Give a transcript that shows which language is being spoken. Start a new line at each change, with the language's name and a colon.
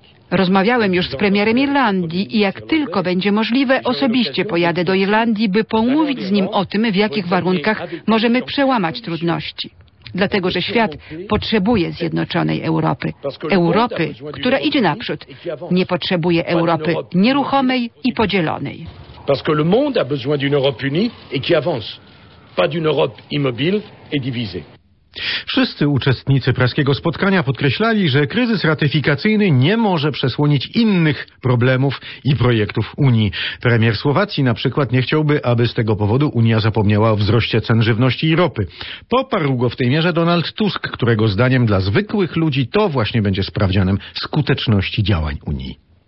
Polish: Rozmawiałem już z premierem Irlandii i jak tylko będzie możliwe, osobiście pojadę do Irlandii, by pomówić z nim o tym, w jakich warunkach możemy przełamać trudności. Dlatego, że świat potrzebuje zjednoczonej Europy. Europy, która idzie naprzód. Nie potrzebuje Europy nieruchomej i podzielonej.
French: Parce que le monde a besoin d'une Europe unie et qui avance, pas d'une Europe immobile et divisée.
Polish: Wszyscy uczestnicy praskiego spotkania podkreślali, że kryzys ratyfikacyjny nie może przesłonić innych problemów i projektów Unii. Premier Słowacji na przykład nie chciałby, aby z tego powodu Unia zapomniała o wzroście cen żywności i ropy. Poparł go w tej mierze Donald Tusk, którego zdaniem dla zwykłych ludzi to właśnie będzie sprawdzianem skuteczności działań Unii.